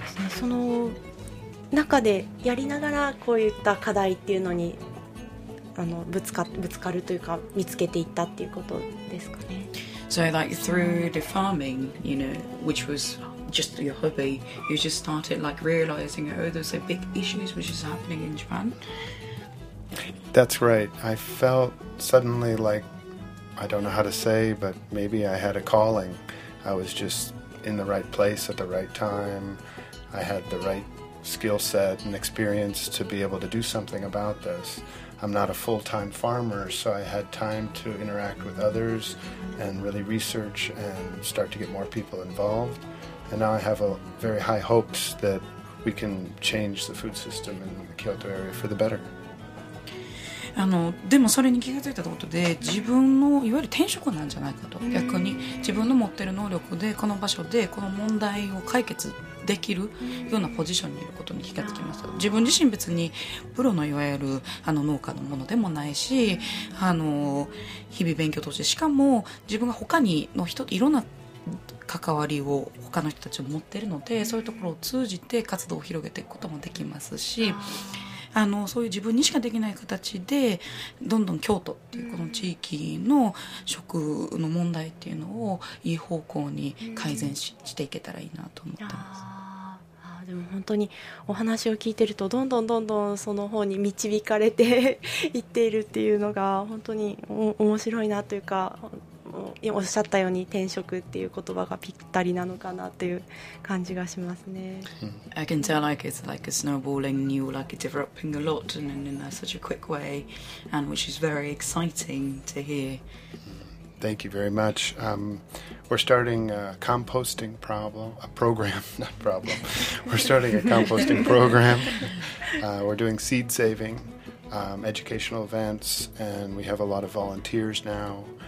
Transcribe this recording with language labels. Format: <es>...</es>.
<ja>その中でやりながらこういった課題っていうのにあのぶつかるというか見つけていったっていうことですかね。</ja> <en>So like through the farming, you know, which was just your hobby, you just started like realizing, oh, there's a big issues which is happening in Japan. That's right. I felt suddenly like, I don't know how to say, but maybe I had a calling. I was just in the right place at the right time. I had the right skill set and experience to be able to do something about this. I'm not a full-time farmer, so I had time to interact with others and really research and start to get more people involved. And now I have a very high hopes that we can change the food system in the Kyoto area for the better.</en> <ja>あのでもそれに気が付いたことで自分のいわゆる転職なんじゃないかと、逆に自分の持ってる能力でこの場所でこの問題を解決できるようなポジションにいることに気が付きました。自分自身別にプロのいわゆるあの農家のものでもないし、あの日々勉強として、しかも自分が他にの人いろんな関わりを他の人たちも持ってるので、そういうところを通じて活動を広げていくこともできますし、あのそういう自分にしかできない形でどんどん京都っていうこの地域の食の問題っていうのをいい方向に改善していけたらいいなと思ってます。ああ、でも本当にお話を聞いてるとどんどんどんどんその方に導かれていっているっていうのが本当に面白いなというか、おっしゃったように転職っていう言葉がぴったりなのかなという感じがしますね。</ja> <en>I can tell like it's like a snowballing, you like developing a lot and in such a quick way, and which is very exciting to hear. Thank you very much. We're starting a composting problem, a program, not problem. We're starting a composting program. We're doing seed saving, educational events, and we have a lot of volunteers now.</en>